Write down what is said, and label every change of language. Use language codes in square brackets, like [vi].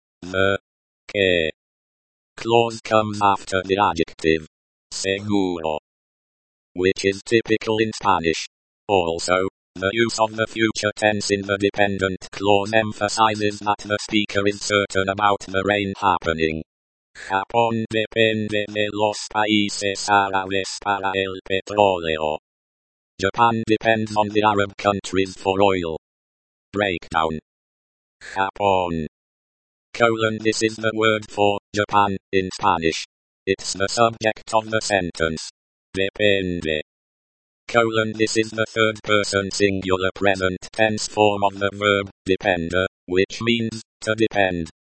[en] The que clause comes after the adjective seguro, which is typical in Spanish. Also, the use of the future tense in the dependent clause emphasizes that the speaker is certain about the rain happening. [es] Japón depende de los países árabes para el petróleo. [en] Japan depends on the Arab countries for oil. Breakdown. Japón. Colon, this is the word for Japan in Spanish. It's the subject of the sentence. Depende. Colon, this is the third person singular present tense form of the verb depender, which means to depend.